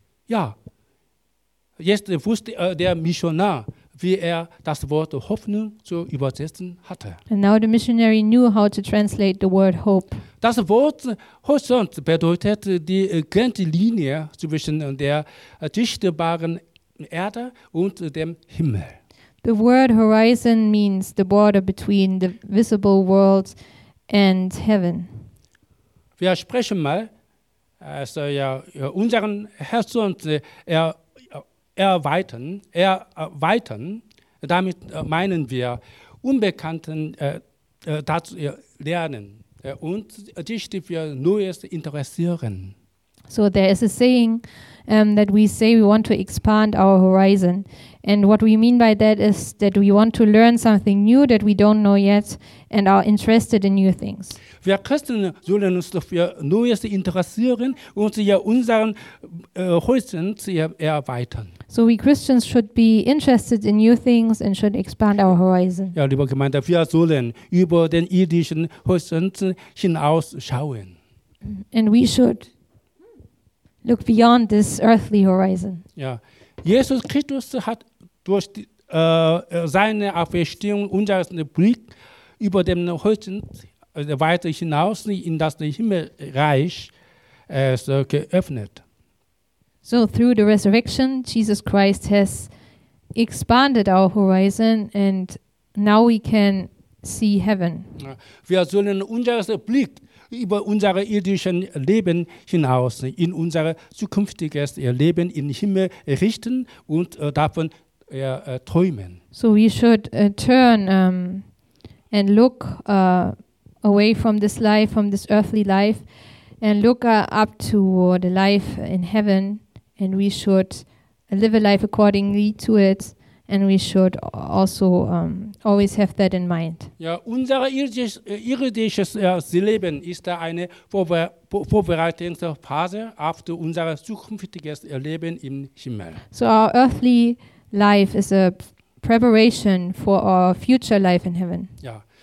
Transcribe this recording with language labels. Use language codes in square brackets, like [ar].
[de] Ja, jetzt wusste der Missionar, wie er das Wort Hoffnung zu übersetzen hatte. [en] And now the missionary knew how to translate the word hope. [de] Das Wort Horizont bedeutet die Grenzlinie zwischen der sichtbaren Erde und dem Himmel. [en] The word horizon means the border between the visible world and heaven. [de] Wir sprechen mal, also unseren Horizont erweitern, damit meinen wir Unbekannten dazu lernen und dich für Neues interessieren. [en] So there is a saying that we say we want to expand our horizon, and what we mean by that is that we want to learn something new that we don't know yet and are interested in new things. [de] Wir Christen sollen uns für Neues interessieren und unseren Horizont erweitern. [en] So we Christians should be interested in new things and should expand our horizon. [de] Ja, liebe Gemeinde, wir sollen über den irdischen Horizont hinausschauen. [en] And we should look beyond this earthly horizon. [de] Ja, Jesus Christus hat durch seine Auferstehung unseren Blick über den Horizont weiter hinaus in das Himmelreich geöffnet. [en] So through the resurrection, Jesus Christ has expanded our horizon and now we can see heaven. [de] Wir sollen unseren Blick über unser irdisches Leben hinaus in unser zukünftiges Leben im Himmel richten und davon träumen. [en] So we should turn and look away from this life, from this earthly life, and look up to the life in heaven, and we should live a life accordingly to it, and we should also always have that in mind. [de] Ja, unser irdisches Leben ist eine vorbereitende Phase auf unser zukünftiges Leben im Himmel. [en] So our earthly life is a preparation for our future life in heaven. Ja.